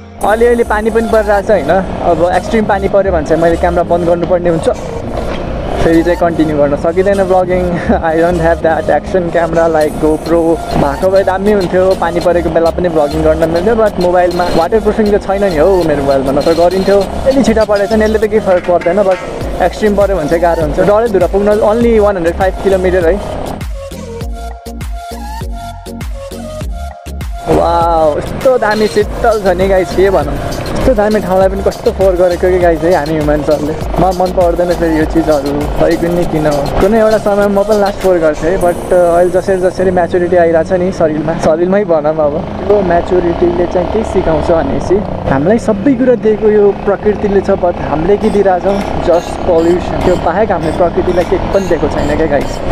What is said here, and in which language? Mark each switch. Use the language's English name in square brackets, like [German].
[Nepali] अलिअलि पानी पनि परिरहेछ होइन, अब एक्सट्रिम पानी पऱ्यो भने चाहिँ मैले क्यामरा बन्द गर्नुपर्ने हुन्छ, फेरि चाहिँ कन्टिन्यू गर्न सकिँदैन blogging. [English] I don't have that action camera like GoPro, [Nepali] भएको भए दामी हुन्थ्यो, पानी परेको बेला पनि ब्लगिङ गर्न मिल्थ्यो, बट मोबाइलमा वाटर प्रुफिङ त छैन नि हो मेरो मोबाइलमा, नत्र गरिन्थ्यो। अलि छिटो परेको छ नि, यसले त केही फरक पर्दैन, बट एक्सट्रिम पऱ्यो भने चाहिँ गाह्रो हुन्छ। डल्लै धुरा पुग्न ओन्ली 105 किलोमिटर है। वाह, यस्तो दामी शीतल छ नि गाइस, के भनौँ, यस्तो दामी ठाउँलाई पनि कस्तो फोहोर गरेको कि गाइस है हामी ह्युमन्सहरूले। म मन पर्दैन फेरि यो चिजहरू, खै पनि किन, कुनै एउटा समय म पनि लास्ट फोहोर गर्थेँ है, बट अहिले जसरी जसरी म्याचुरिटी आइरहेको छ नि शरीरमा, शरीरमै भनौँ अब, यो म्याचुरिटीले चाहिँ के सिकाउँछ भनेपछि, हामीलाई सबै कुरा दिएको यो प्रकृतिले छ, बट हामीले के दिइरहेछौँ, जस्ट पल्युसन, त्यो बाहेक हामीले प्रकृतिलाई केही पनि दिएको छैन क्या गाइस।